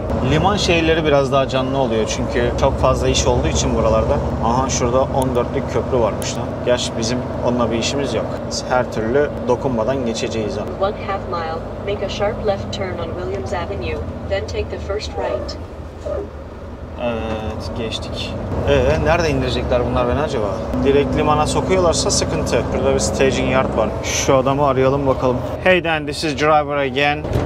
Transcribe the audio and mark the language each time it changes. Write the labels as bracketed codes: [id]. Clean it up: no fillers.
[tr] Liman şehirleri biraz daha canlı oluyor çünkü çok fazla iş olduğu için buralarda. Aha, şurada 14'lük köprü varmış lan. Gerçi bizim onunla bir işimiz yok. Biz her türlü dokunmadan geçeceğiz abi. [en] 1/2 mile, make a sharp left turn on Williams Avenue, then take the first right. [tr] Evet, geçtik. Nerede indirecekler bunlar beni acaba? Direkt limana sokuyorlarsa sıkıntı. Burada bir staging yard var. Şu adamı arayalım bakalım. [en] Hey Dan, this is driver again.